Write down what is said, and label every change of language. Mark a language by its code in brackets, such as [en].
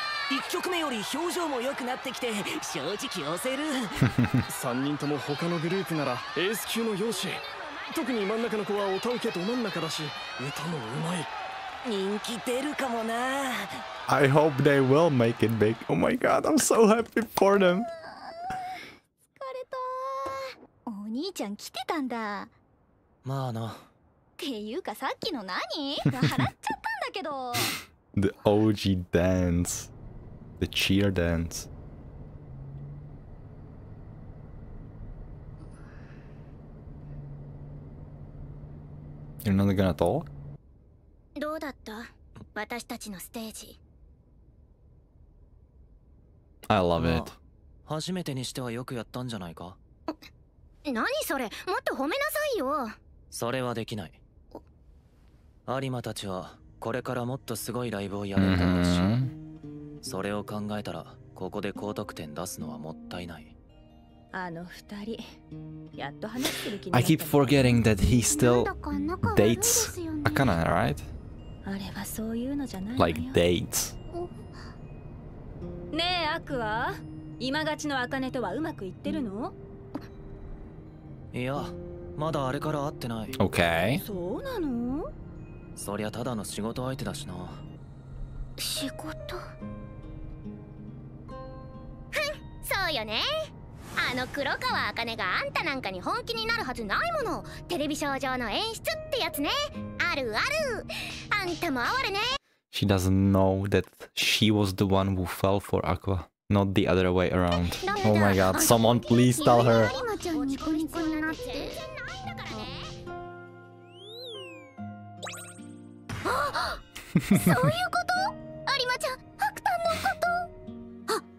[ja] 3人とも他のグループならエース級の容姿特に真ん中の子はおたうけど真ん中だし歌もうまい人気出るかもな [en] I hope they will make it big Oh my god, I'm so happy for them [ja] 疲れたお兄ちゃん来てたんだまあなっていうかさっきの何笑っちゃったんだけど [en] The OG dance The cheer dance You're not gonna talk? [ja] どうだった私たちのステージ [en] I love it [ja] 初めてにしてはよくやったんじゃないか何それもっと褒めなさいよそれはできないアリマたちはこれからもっとすごいライブをやるんだろうし、mm-hmm. それを考えたらここで高得点出すのはもったいないあの二人やっと話してる気になった [en] I keep forgetting that he still dates Akana, right? [ja] あれはそういうのじゃないのよ [en] Like dates [ja] ねえアクア今がちのアカネとはうまくいってるのいやまだあれから会ってない [en] OK [ja] そうなのそりゃただの仕事相手だしな仕事ふんそうよねあの黒川茜があんたなんかに本気になるはずないものテレビ少女の演出ってやつねあるあるあんたも哀れね [en] She doesn't know that she was the one who fell for Aqua not the other way around Oh my god someone please tell her [ja] そういうこと有馬ちゃん、ハクタンのこと。